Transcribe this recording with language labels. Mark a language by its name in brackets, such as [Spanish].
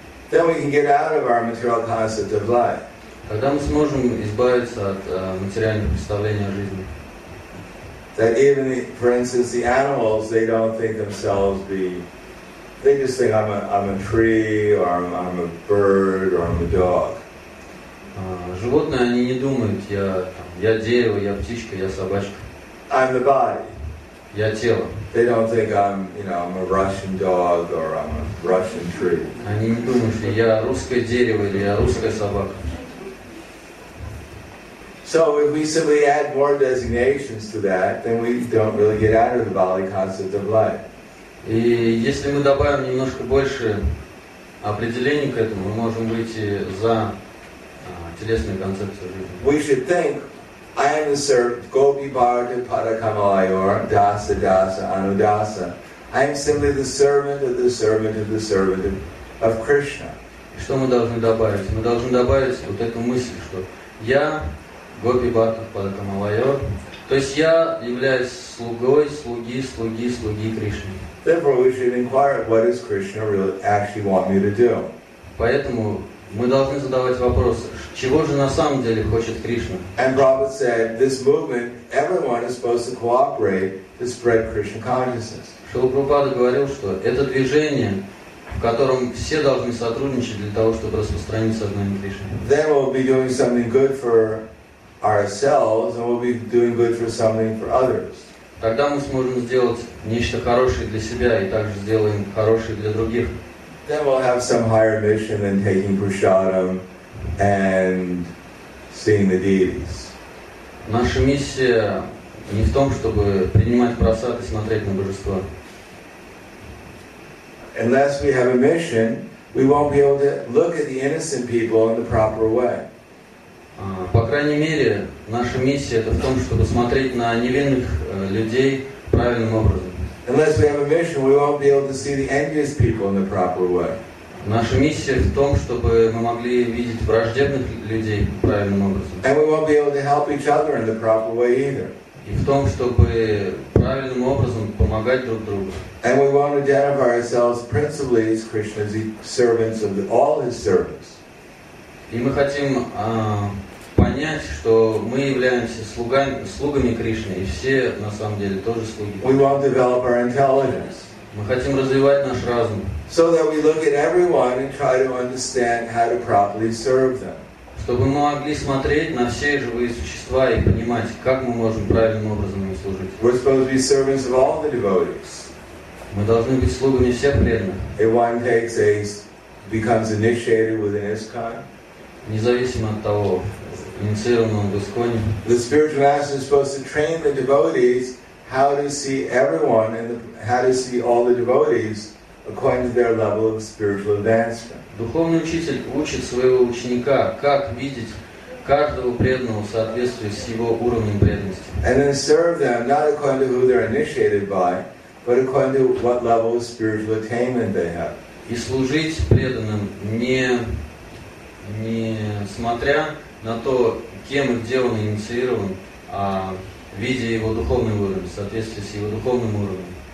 [English] Then we can get out of our material concept of life. [Russian] Тогда мы сможем избавиться от материальных представлений о жизни. [English] That even, for instance, the animals, they don't think themselves be... They just think, I'm a tree, or I'm a bird, or I'm a dog. [Russian] Животные, они не думают, я дерево, я птичка, я собачка. [English] I'm the body. [Russian] Я тело. [English] They don't think I'm, you know, I'm a Russian dog, or I'm a Russian tree. [Russian] Они не думают, что я русское дерево, или я русская собака. [English] So if we simply add more designations to that, then we don't really get out of the Bali concept of life. [Russian] И если мы добавим немножко больше определений к этому, мы можем выйти за телесную концепцию жизни. [English] We should think, I am the servant, [Sanskrit] Gopi Bharata Padakamalayor, Dasa Dasa Anudasa. [English] I am simply the servant of the servant of the servant of Krishna. [Russian] И что мы должны добавить? Мы должны добавить вот эту мысль, что я... [Sanskrit] Гопи Бхакта Падакамалайор. [Russian] То есть я являюсь слугой, слуги Кришны. [English] Therefore, we should inquire what does Krishna really actually want me to do. [Russian] Поэтому мы должны задавать вопрос, чего же на самом деле хочет Кришна? [English] And Prabhupada said, this movement, everyone is supposed to cooperate to spread Krishna consciousness. [Russian] Шрила Прабхупада говорил, что это движение, в котором все должны сотрудничать для того, чтобы распространить сознание Кришны. [English] Then we'll be doing something good for ourselves, and we'll be doing good for something for others. [Russian] Тогда мы сможем сделать нечто хорошее для себя и также сделаем хорошее для других. [English] Then we'll have some higher mission than taking prasadam and seeing the deities. [Russian] Наша миссия не в том, чтобы принимать просад и смотреть на божества. [English] Unless we have a mission, we won't be able to look at the innocent people in the proper way. [Russian] По крайней мере, наша миссия это в том, чтобы смотреть на невинных людей правильным образом. [English] Unless we have a mission, we won't be able to see the envious people in the proper way. [Russian] Наша миссия в том, чтобы мы могли видеть враждебных людей правильным образом. [English] And we won't be able to help each other in the proper way either. [Russian] И в том, чтобы правильным образом помогать друг другу. [English] And we won't identify ourselves principally as Krishna's servants of all his servants. [Russian] И мы хотим понять, что мы являемся слугами Кришны, и все на самом деле тоже слуги. [English] We want to develop our intelligence. [Russian] Мы хотим развивать наш разум. [English] So that we look at everyone and try to understand how to properly serve them. [Russian] Чтобы мы могли смотреть на все живые существа и понимать, как мы можем правильным образом им служить. [English] We're supposed to be servants of all the devotees. [Russian] Мы должны быть слугами всех преданных. [English] If one takes a, becomes initiated within ISKCON. [Russian] Независимо от того, инициированного в Исконе. [English] The spiritual master is supposed to train the devotees how to see everyone and how to see all the devotees according to their level of spiritual advancement. [Russian] Духовный учитель учит своего ученика, как видеть каждого преданного в соответствии с его уровнем преданности. [English] And then serve them not according to who they're initiated by, but according to what level of spiritual attainment they have. [Russian] И служить преданным не смотря на то, кем и где он инициирован, видя его духовный уровень, в соответствии с его духовным уровнем.